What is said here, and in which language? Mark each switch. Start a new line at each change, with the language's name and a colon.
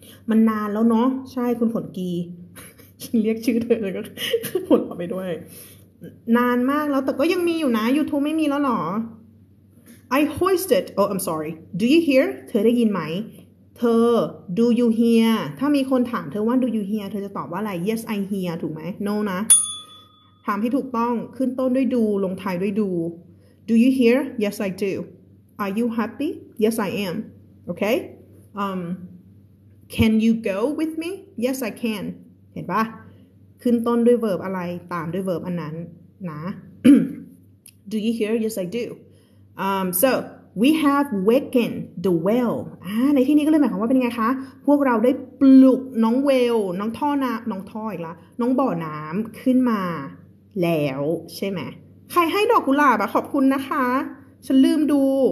Thai: มันนานแล้วเนาะใช่คุณผลกีฉันเรียกชื่อเธอแล้วก็ผลออกไปด้วยนานมากแล้วแต่ก็ยังมีอยู่นะ YouTube ไม่มีแล้วหรอ
English: I hoisted oh I'm sorry do you hear
Thai: เธอได้ยินไหมเธอ
English: do you hear
Thai: ถ้ามีคนถามเธอว่า do you hear เธอจะตอบว่าอะไร
English: yes I hear
Thai: ถูกไหม no นะถามที่ถูกต้องขึ้นต้นด้วย do ลงท้ายด้วย do
English: you hear yes I do are you happy yes I am okay Can you go with me? Yes, I can.
Thai: เห็นป่ะขึ้นต้นด้วย verb อะไรตามด้วย verb อันนั้นนะ
English: Do you hear? Yes, I do. So we have wakened the whale.
Thai: ในที่นี้ก็เลยหมายความว่าเป็นไงคะพวกเราได้ปลุกน้องเวลน้องท่อน้ำน้องท่ออีกละน้องบ่อน้ำขึ้นมาแล้วใช่ไหมใครให้ดอกกุหลาบอะขอบคุณนะคะฉันลืมดู